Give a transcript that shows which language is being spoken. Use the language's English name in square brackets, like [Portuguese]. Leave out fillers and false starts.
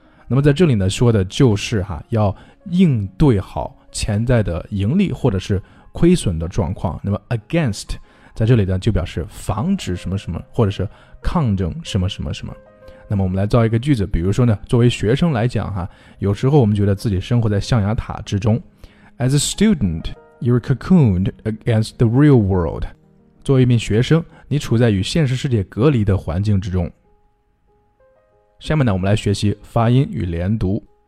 [Chinese] 那么在这里呢说的就是哈，要应对好潜在的盈利或者是亏损的状况。那么 against在这里呢就表示防止什么什么，或者是抗争什么什么什么。那么我们来造一个句子，比如说呢，作为学生来讲哈，有时候我们觉得自己生活在象牙塔之中。 [English] As a student, you're cocooned against the real world. [Chinese] 作为一名学生，你处在与现实世界隔离的环境之中。下面呢，我们来学习发音与连读。